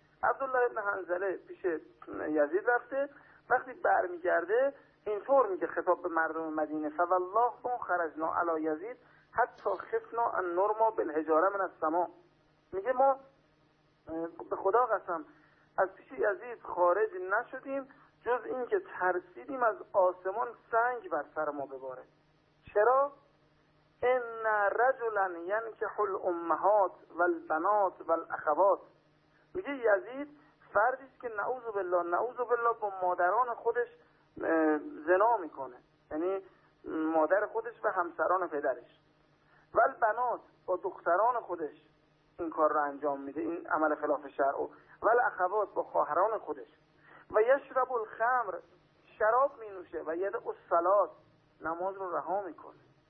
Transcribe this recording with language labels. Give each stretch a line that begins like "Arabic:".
Persian: عبدالله ابن حنظله پیش یزید رفته، وقتی برمیگرده اینطور میگه خطاب به مردم مدینه:
Arabic: فوالله ما خرجنا علی یزید حتی خفنا ان نرما بالحجاره من السما.
Persian: میگه ما به خدا قسم از پیش یزید خارج نشدیم جز اینکه ترسیدیم از آسمان سنگ بر سر ما بباره. چرا؟
Arabic: ان رجلا ینکح الامهات والبنات والاخوات.
Persian: میگه یزید فردی است که نعوذ بالله با مادران خودش زنا میکنه، یعنی مادر خودش و همسران پدرش، ول بنات با دختران خودش این کار رو انجام میده، این عمل خلاف شرع، ول اخوات با خواهران خودش،
Arabic: و یشرب الخمر
Persian: شراب مینوشه، و ید الصلات نماز رو رها میکنه.